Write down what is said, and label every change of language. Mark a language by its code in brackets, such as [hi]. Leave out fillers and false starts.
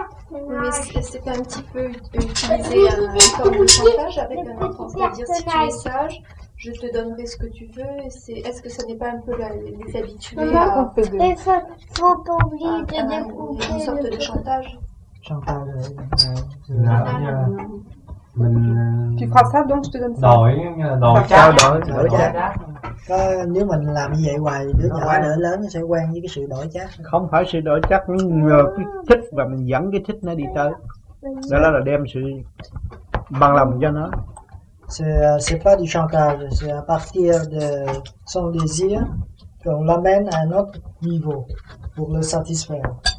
[fr] Mais c'est un petit peu utilisé comme un chantage avec un enfant, c'est-à-dire si tu es sage, je te donnerai ce que tu veux. Est-ce que ça n'est pas un peu les habitués à... Mais ça, faut pas oublier de découvrir. Une sorte de chantage. Chantage. Tu feras ça, donc je te donne ça. [vi] Có, nếu mình làm như vậy hoài đứa nhỏ đỡ lớn nó sẽ quen với cái sự đổi chắc. Không phải sự đổi chắc, nhưng nhờ cái thích và mình dẫn cái thích nó đi tới. Đó là đem sự bằng lòng cho nó. [fr] C'est pas du chantage, c'est à partir de son désir qu'on l'amène à un autre niveau pour le satisfaire.